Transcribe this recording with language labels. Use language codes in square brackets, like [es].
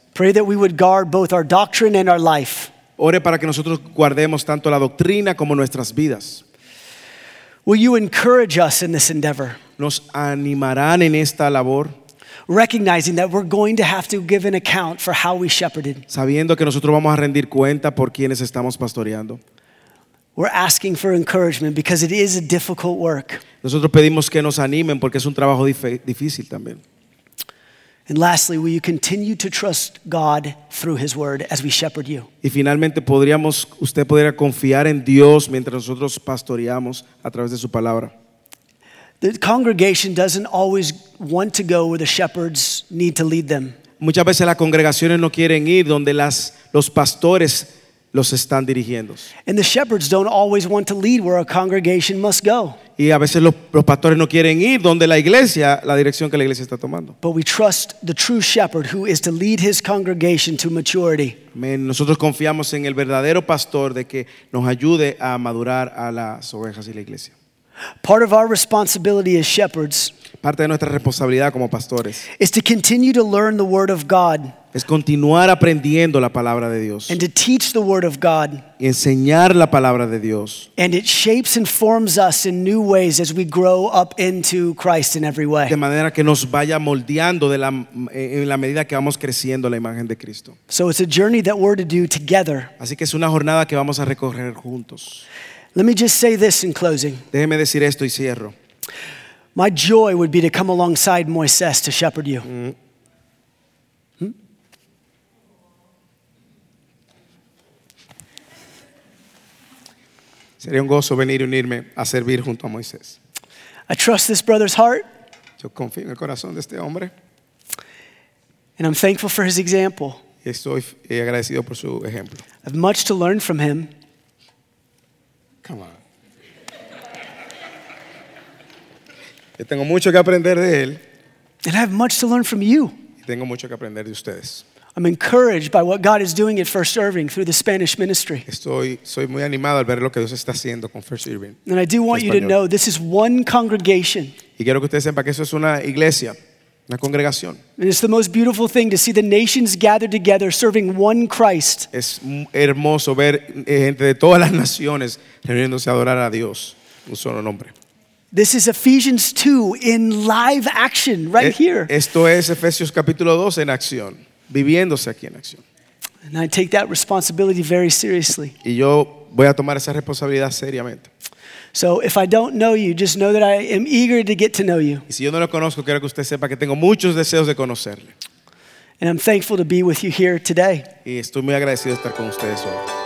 [en] Pray that we would guard both our doctrine and our life. [es] Ore para que nosotros guardemos tanto la doctrina como nuestras vidas. [en] Will you encourage us in this endeavor? [es] Nos animarán en esta labor. [en] Recognizing that we're going to have to give an account for how we shepherded. [es] Sabiendo que nosotros vamos a rendir cuenta por quienes estamos pastoreando. [en] We're asking for encouragement because it is a difficult work. [es] Nosotros pedimos que nos animen porque es un trabajo difícil también. [en] And lastly, will you continue to trust God through his word as we shepherd you? [es] Y finalmente, ¿podríamos usted podría confiar en Dios mientras nosotros pastoreamos a través de su palabra? [en] The congregation doesn't always want to go where the shepherds need to lead them. [es] Muchas veces las congregaciones no quieren ir donde los pastores los están dirigiendo. [en] And the shepherds don't always want to lead where a congregation must go. [es] Y a veces los pastores no quieren ir donde la iglesia, la dirección que la iglesia está tomando. [en] But we trust the true shepherd who is to lead his congregation to maturity. [es] Amén. Nosotros confiamos en el verdadero pastor de que nos ayude a madurar a las ovejas y la iglesia. [en] Part of our responsibility as shepherds, [es] parte de nuestra responsabilidad como pastores, [en] is to continue to learn the word of God. [es] Es continuar aprendiendo la palabra de Dios. [en] And to teach the word of God. [es] Y enseñar la palabra de Dios. [en] And it shapes and forms us in new ways as we grow up into Christ in every way. [es] De manera que nos vaya moldeando en la medida que vamos creciendo la imagen de Cristo. [en] So it's a journey that we're to do together. [es] Así que es una jornada que vamos a recorrer juntos. [en] Let me just say this in closing. [es] Déjeme decir esto y cierro. [en] My joy would be to come alongside Moisés to shepherd you. [es] Sería un gozo venir y unirme a servir junto a Moisés. [en] I trust this brother's heart. [es] Yo confío en el corazón de este hombre. [en] And I'm thankful for his example. [es] Y estoy agradecido por su ejemplo. [en] I have much to learn from him. Come on. [es] Yo tengo mucho que aprender de él. [en] And I have much to learn from you. [es] Y tengo mucho que aprender de ustedes. [en] I'm encouraged by what God is doing at First Irving through the Spanish ministry. [es] Soy muy animado al ver lo que Dios está haciendo con First Irving. [en] And I do want you to know this is one congregation. [es] Y quiero que ustedes sepan que eso es una iglesia, una congregación. [en] And it's the most beautiful thing to see the nations gathered together serving one Christ. [es] Es hermoso ver gente de todas las naciones reuniéndose a adorar a Dios, un solo nombre. [en] This is Ephesians 2 in live action right here. [es] Esto es Efesios capítulo 2 en acción. Viviéndose aquí en acción. [en] And I take that responsibility very seriously. [es] Y yo voy a tomar esa responsabilidad seriamente. [en] So if I don't know you, just know that I am eager to get to know you. [es] Y si yo no lo conozco, quiero que usted sepa que tengo muchos deseos de conocerle. [en] And I'm thankful to be with you here today. [es] Y estoy muy agradecido de estar con ustedes hoy.